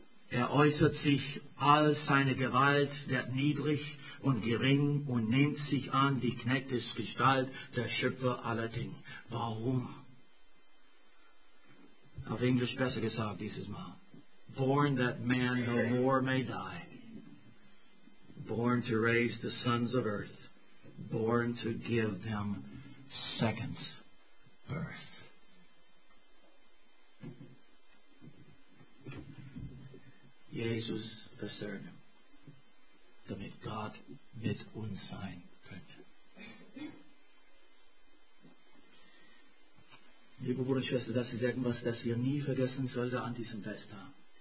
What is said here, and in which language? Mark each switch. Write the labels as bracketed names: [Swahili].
[German] Er äußert sich, all seine Gewalt wird niedrig und gering und nimmt sich an die Knechtesgestalt der Schöpfer aller Dinge. Warum? Auf Englisch besser gesagt dieses Mal. [English] Born that man no more may die. Born to raise the sons of earth. Born to give them second birth. [German] Jesus versöhnt, damit Gott mit uns sein könnte. Liebe Bruder und Schwester, das ist etwas, das wir nie vergessen sollten an diesem Festtag.